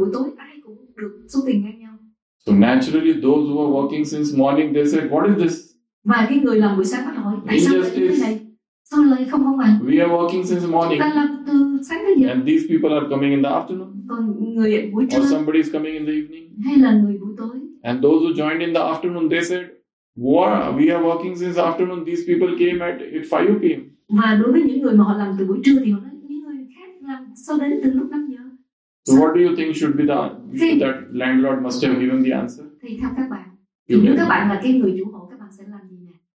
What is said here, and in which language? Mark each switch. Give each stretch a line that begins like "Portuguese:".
Vietnamese: Buổi tối ai cũng được số tiền ngang nhau.
English: So naturally, those who are working since morning, they said, what is this?
Vietnamese: Và cái người làm buổi sáng bắt hỏi, tại sao lại như thế này? Sao lại không công bằng?
English: We are working since morning.
Vietnamese: Chúng ta làm từ sáng đến giờ.
English: And these people are coming in the afternoon.
Vietnamese: Còn người buổi trưa.
English: Or somebody is coming in the evening.
Vietnamese: Hay là người buổi tối.
English: And those who joined in the afternoon, they said, what? We are working since afternoon. These people came at 5 p.m.
Vietnamese: Và đối với những người mà họ làm từ buổi trưa thì họ nói những người khác làm sau đến từ lúc 5 giờ.
English: So what do you think should be that landlord must have given the answer?
Vietnamese: Thì theo các bạn, nếu các bạn là cái người chủ hộ, các bạn sẽ làm gì nè?